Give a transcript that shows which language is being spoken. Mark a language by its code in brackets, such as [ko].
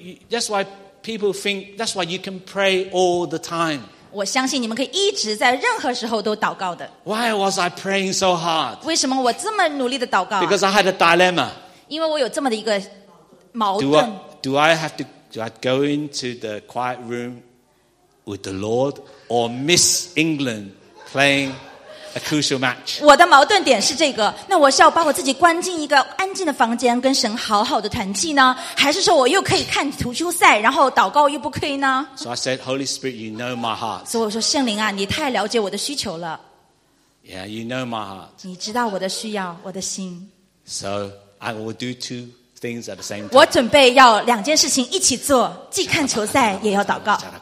[en] That's why you can pray all the time. [zh] 我相信你们可以一直在任何时候都祷告的。 [en] Why was I praying so hard? [zh] 为什么我这么努力的祷告？ [en] Because I had a dilemma. [zh] 因为我有这么的一个矛盾。 [en] Do I go into the quiet room with the Lord or miss England playing a crucial match? [zh] 我的矛盾点是这个，那我是要把我自己关进一个安静的房间跟神好好的团契呢，还是说我又可以看足球赛然后祷告又不可以呢？ [en] So I said, Holy Spirit, you know my heart. [zh] 所以我说圣灵啊，你太了解我的需求了。 [en] Yeah, you know my heart. [zh] 你知道我的需要，我的心。 [en] So I will do two things at the same time. [zh] 我准备要两件事情一起做，既看球赛也要祷告。